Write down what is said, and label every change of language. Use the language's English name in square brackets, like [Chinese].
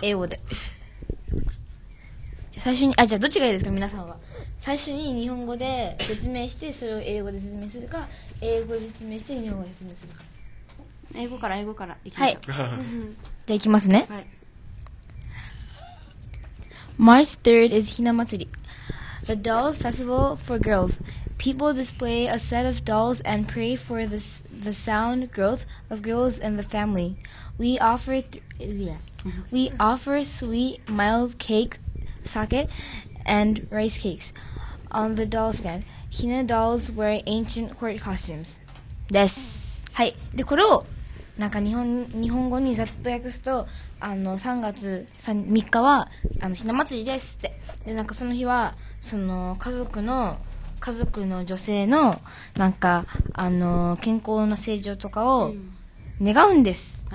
[Japanese] 英語で。じゃあ最初に、あ、じゃあどっちがいいですか、皆さんは。最初に日本語で説明して、それを英語で説明するか、英語で説明して日本語で説明するか。英語から、英語から、いきます。はい、じゃあいきますね。はい。 [English] March 3rd is ひな祭り、the dolls festival for girls. People display a set of dolls and pray for the sound growth of girls in the family. We offer sweet mild cake, sake, and rice cakes on the doll stand. Hina dolls wear ancient court costumes. [Japanese] です。はい。で、これをなんか日本語にざっと訳すと、3月3日はひな祭りですって。で、なんかその日は、その家族の女性のなんか健康な成長とかを願うんです、うん、